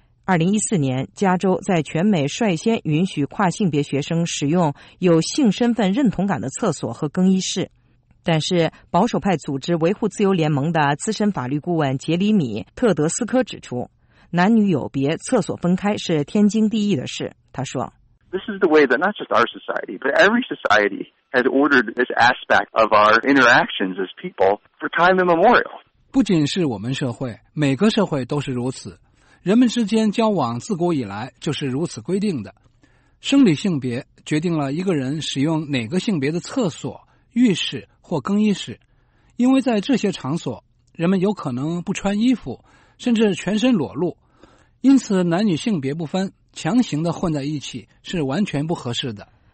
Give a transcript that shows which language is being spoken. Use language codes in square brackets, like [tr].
[zh] 2014年，加州在全美率先允许跨性别学生使用有性身份认同感的厕所和更衣室。但是保守派组织维护自由联盟的资深法律顾问杰里米·特德斯科指出，男女有别，厕所分开是天经地义的事。他说， [en] This is the way that not just our society, but every society has ordered this aspect of our interactions as people for time immemorial. [zh] 不仅是我们社会，每个社会都是如此。人们之间交往自古以来就是如此规定的。生理性别决定了一个人使用哪个性别的厕所、浴室或更衣室，因为在这些场所，人们有可能不穿衣服，甚至全身裸露，因此男女性别不分，强行的混在一起是完全不合适的。